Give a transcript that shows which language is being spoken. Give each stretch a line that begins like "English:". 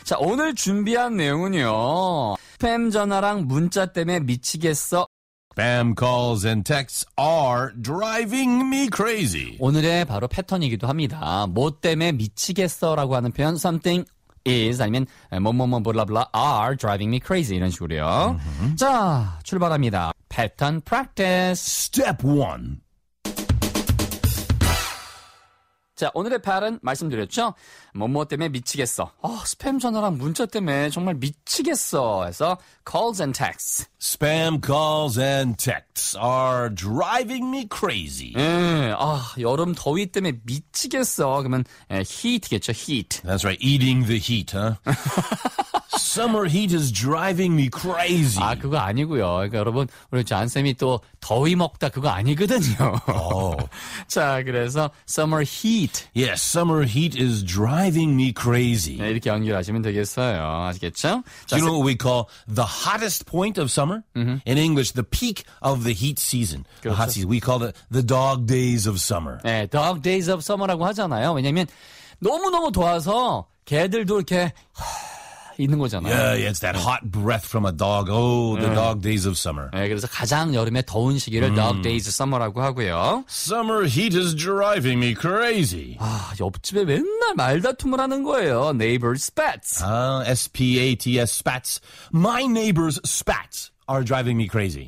Korean: 자, 오늘 준비한 내용은요. 스팸 전화랑 문자 때문에 미치겠어.
English: Spam calls and texts are driving me crazy.
Korean: 오늘의 바로 패턴이기도 합니다. 뭐 때문에 미치겠어라고 하는 표현
English: something is
Korean: 아니면 뭐뭐뭐 블라블라
English: are driving me crazy
Korean: 이런 식으로요. Mm-hmm. 자, 출발합니다. 패턴 practice.
English: Step 1.
Korean: 자, 오늘의 패턴 말씀드렸죠? 뭐뭐 때문에 미치겠어. 아, 스팸 전화랑 문자 때문에 정말 미치겠어. 해서
English: calls and texts. Spam calls and texts are driving me crazy.
Korean: 예, 아, 여름 더위 때문에 미치겠어. 그러면 예, heat겠죠, heat.
English: That's right, eating the heat, huh? Summer heat is driving me crazy.
Korean: 아, 그거 아니고요. 그러니까 여러분, 우리 잔쌤이 또 더위 먹다 그거 아니거든요. Oh. 자, 그래서 summer heat.
English: Yes, summer heat is driving me crazy.
Korean: 네, 이렇게 연결하시면 되겠어요. 아시겠죠?
English: Do you know what we call the hottest point of summer? Mm-hmm. In English, the peak of the heat season.
Korean: 그렇죠.
English: The hot season. We call it the dog days of summer.
Korean: 네,
English: dog days of summer
Korean: 라고 하잖아요. 왜냐하면 너무너무 더워서 개들도 이렇게... 있는 거잖아요.
English: Yeah, yeah, it's that hot breath from a dog. Oh, the
Korean: 네.
English: dog days of summer.
Korean: 네, 그래서 가장 여름에 더운 시기를
English: dog days of summer
Korean: 라고 하고요.
English: Summer heat is driving me crazy.
Korean: 아, 옆집에 맨날 말다툼을 하는 거예요.
English: Neighbors spats. S-P-A-T-S, spats. My neighbors spats are driving me crazy.